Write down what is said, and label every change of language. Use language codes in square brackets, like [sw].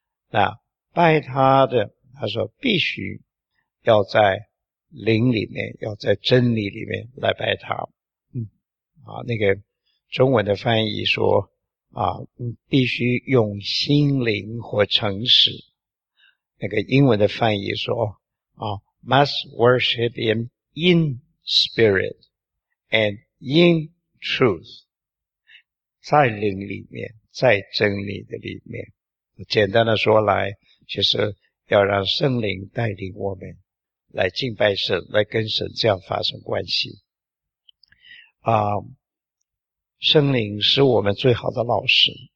[zh] 那拜他的他说必须要在灵里面，要在真理里面来拜他。那个中文的翻译说必须用心灵或诚实。那个英文的翻译说 [en] must worship him in spirit and in truth. [zh] 在灵里面，在真理的里面。简单的说来，就是要让圣灵带领我们来敬拜神，来跟神这样发生关系。啊，圣灵是我们最好的老师。